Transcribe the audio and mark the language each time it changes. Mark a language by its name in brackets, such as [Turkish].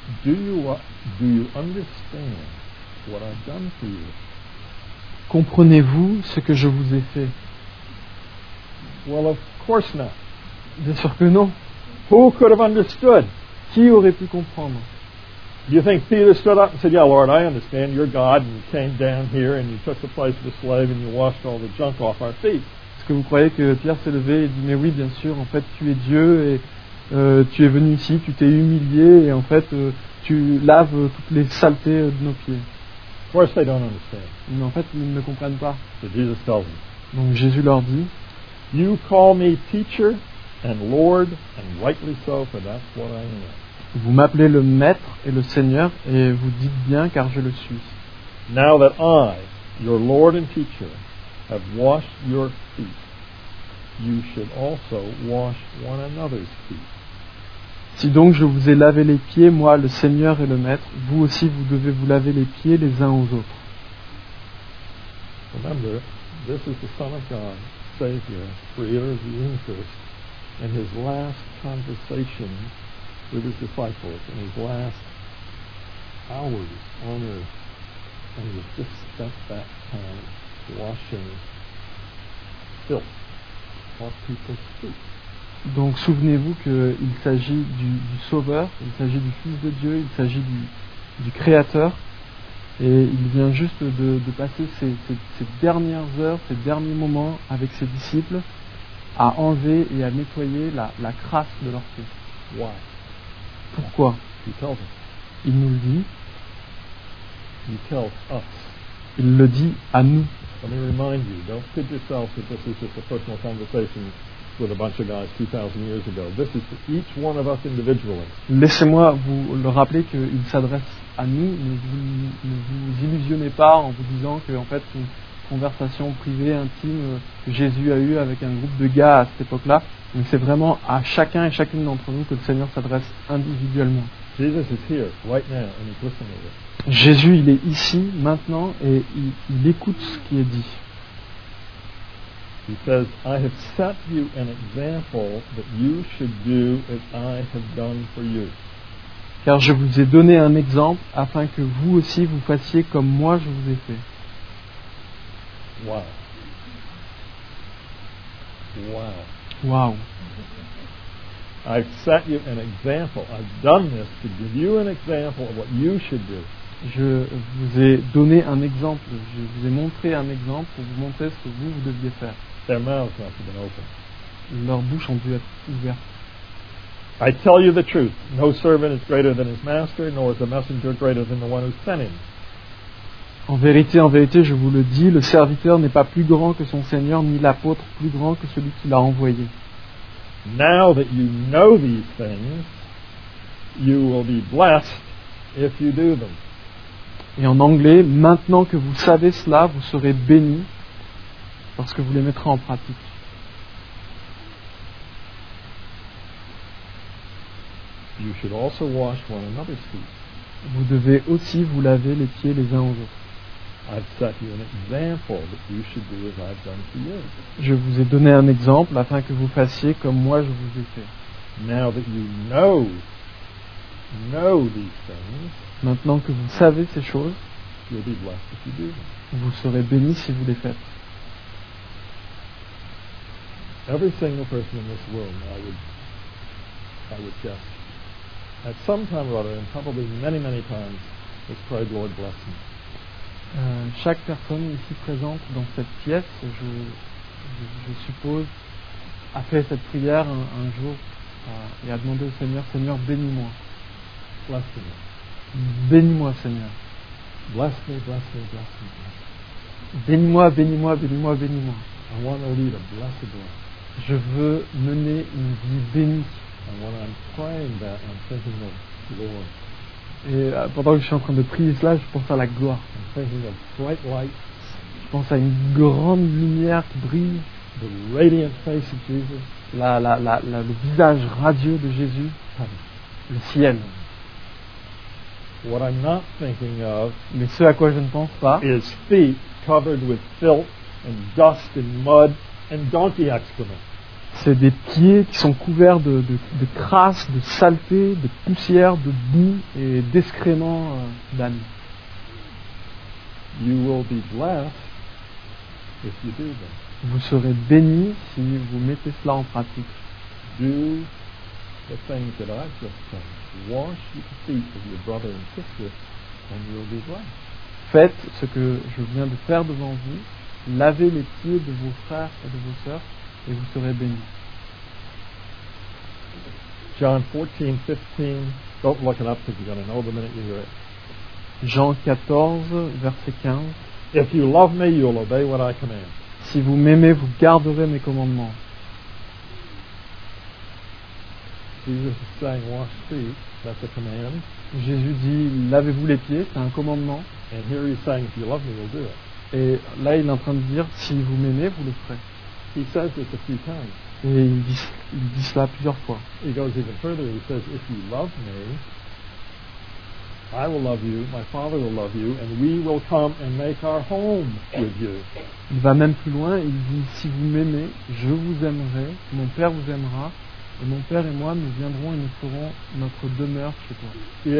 [English] Do you understand what I've done for you? [French] Comprenez-vous ce que je vous ai fait? [English] Well, of course not. [French] Bien sûr que non. [English] Who could have understood? [French] Qui aurait pu comprendre? [English] You think Peter stood up and said, "Yeah, Lord, I understand. You're God, and you came down here, and you took the place of the slave, and you washed all the junk off our feet." [French] Est-ce que vous croyez que Pierre s'est levé et dit, "Mais oui, bien sûr. En fait, tu es Dieu et tu es venu ici, tu t'es humilié et en fait tu laves toutes les saletés de nos pieds." [English] Of course they don't understand. [French] Mais en fait, ils ne comprennent pas. [English] So Jesus tells them. [French] Donc Jésus leur dit, [English] "You call me teacher and Lord, and rightly so, for that's what I am." [French] Vous m'appelez le maître et le Seigneur, et vous dites bien, car je le suis. [English] Now that I, your Lord and teacher, have washed your feet, you should also wash one another's feet. [French] Si donc je vous ai lavé les pieds, moi, le Seigneur et le Maître, vous aussi, vous devez vous laver les pieds les uns aux autres. [English] Remember, this is the Son of God, Savior, Creator of the universe, and his last conversation with his disciples, in his last hours on earth, and he just spent that time washing filth off people's feet. [French] Donc souvenez-vous qu'il s'agit du Sauveur, il s'agit du Fils de Dieu, il s'agit du Créateur, et il vient juste de passer ses dernières heures, ses derniers moments avec ses disciples à enlever et à nettoyer la crasse de leurs pieds. [English] Why? [French] Pourquoi? [English] He tells us. [French] Il nous le dit. [English] He tells us. [French] Il le dit à nous. [English] Let me remind you, don't kid yourself that this is just a personal conversation with a bunch of guys 2,000 years ago. This is to each one of us individually. [French] Laissez-moi vous le rappeler qu'il s'adresse à nous. Ne vous illusionnez pas en vous disant que en fait une conversation privée intime que Jésus a eu avec un groupe de gars à cette époque-là. Mais c'est vraiment à chacun et chacune d'entre nous que le Seigneur s'adresse individuellement. [English] Jesus is here right now and he's listening to this. [French] Jésus, il est ici maintenant et il écoute ce qui est dit. [English] He says, I have set you an example that you should do as I have done for you. [French] Car je vous ai donné un exemple afin que vous aussi vous fassiez comme moi je vous ai fait. [English] Wow. Wow. Wow. I've set you an example. I've done this to give you an example of what you should do. [French] Je vous ai donné un exemple. Je vous ai montré un exemple pour vous montrer ce que vous deviez faire. [English] Their mouths must have been open. [French] Leurs bouches ont dû être ouvertes. [English] I tell you the truth. No servant is greater than his master, nor is a messenger greater than the one who sent him. [French] En vérité, je vous le dis, le serviteur n'est pas plus grand que son seigneur, ni l'apôtre plus grand que celui qui l'a envoyé. [English] Now that you know these things, you will be blessed if you do them. [French] Et en anglais, maintenant que vous savez cela, vous serez béni parce que vous les mettrez en pratique. [English] You should also wash one another's feet. [French] Vous devez aussi vous laver les pieds les uns aux autres. [English] I've set you an example that you should do as I've done to you. [French] Je vous ai donné un exemple afin que vous fassiez comme moi je vous ai fait. [English] Now that you know these things, [French] maintenant que vous savez ces choses, [English] you'll be blessed if you do them. [French] Vous serez béni si vous les faites. [English] Every single person in this room, I would guess, at some time or other, and probably many, many times, has prayed, Lord, bless me. [French] Chaque personne ici présente dans cette pièce, je suppose, a fait cette prière un jour et a demandé au Seigneur, Seigneur, bénis-moi. [English] Bless me. [French] Bénis-moi, Seigneur. [English] Bless me, bless me, bless me, bless me. [French] Bénis-moi, bénis-moi, bénis-moi, bénis-moi. [English] I want to lead a blessed life. [French] Je veux mener une vie bénie. [English] And when I'm praying that, I'm thinking of the Lord. [French] Et pendant que je suis en train de prier cela, je pense à la gloire. [English] I'm thinking of bright light. [French] Je pense à une grande lumière qui brille. [English] The radiant face of Jesus. [French] Le visage radieux de Jésus. Le ciel. [English] What I'm not thinking of, [French] mais ce à quoi je ne pense pas, [English] is feet covered with filth and dust and mud and donkey excrement. [French] C'est des pieds qui sont couverts de crasse, de saleté, de poussière, de boue et d'excréments d'âne. [English] You will be blessed if you do that. [French] Vous serez béni si vous mettez cela en pratique. [English] Do the things that I've just done. Wash the feet of your brother and sister, and you will be blessed. [French] Faites ce que je viens de faire devant vous. Lavez les pieds de vos frères et de vos sœurs, et vous serez bénis. [English] John 14:15. Don't look it up because you're going to know the minute you hear it. [French] Jean 14, verset 15. [English] If you love me, you'll obey what I command. [French] Si vous m'aimez, vous garderez mes commandements. [English] Jesus is saying, wash feet. That's a command. [French] Jésus dit, lavez-vous les pieds, c'est un commandement. [English] And here he's saying, if you love me, you'll do it. [French] Et là, il est en train de dire, si vous m'aimez, vous le ferez. [English] He says this a few times. [French] Et il dit cela plusieurs fois. [English] He goes even further. He says, if you love me, I will love you, my father will love you, and we will come and make our home with you. [French] Il va même plus loin, il dit, si vous m'aimez, je vous aimerai, mon père vous aimera, et mon père et moi, nous viendrons et nous ferons notre demeure chez toi.